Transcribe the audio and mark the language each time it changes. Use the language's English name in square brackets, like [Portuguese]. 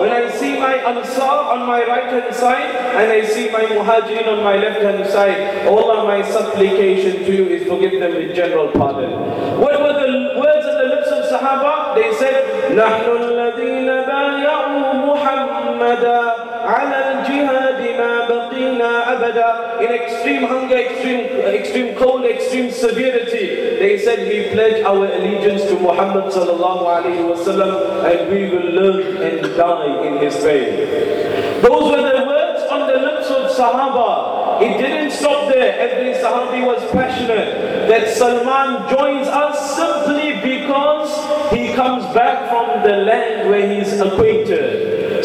[English] When I see my ansar on my right hand side, and I see my muhajirin on my left hand side, all of my supplication to you is forgive them with general pardon. What were the words of the lips of Sahaba? They said, [Arabic] نَحْنُ الَّذِينَ بَايَعُوا مُحَمَّدًا أبدا على الجهاد ما بقينا أبدا. [English] In extreme hunger, extreme cold, extreme severity, they said we pledge our allegiance to Muhammad sallallahu alaihi wasallam, and we will live and die in his way. Those were the words on the lips of Sahaba. It didn't stop there. Every Sahabi was passionate that Salman joins us simply because he comes back from the land where he's acquainted.